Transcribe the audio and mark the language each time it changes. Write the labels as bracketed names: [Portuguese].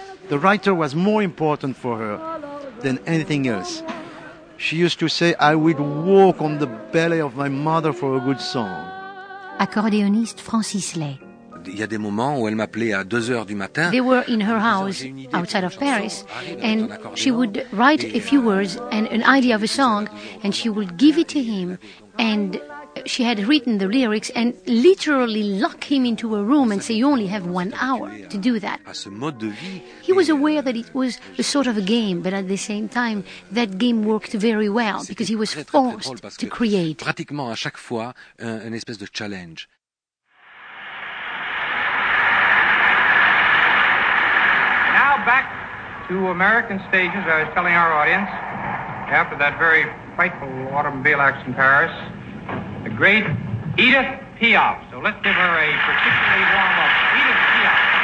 [English] The writer was more important for her than anything else. She used to say, I would walk on the belly of my mother for a good song. [French] Accordéoniste Francis Lay. Il y a des moments où elle m'appelait à 2h du matin. [English] They were in her house outside of Paris and she would write a few words and an idea of a song and she would give it to him and she had written the lyrics and literally lock him into a room and say you only have 1 hour to do that. He was aware that it was a sort of a game, but at the same time that game worked very well because he was forced to create. [French] Pratiquement à chaque fois une espèce de challenge. [English] Back to American stages, I was telling our audience, after that very frightful automobile accident in Paris, the great Edith Piaf. So let's give her a particularly warm up. Edith Piaf.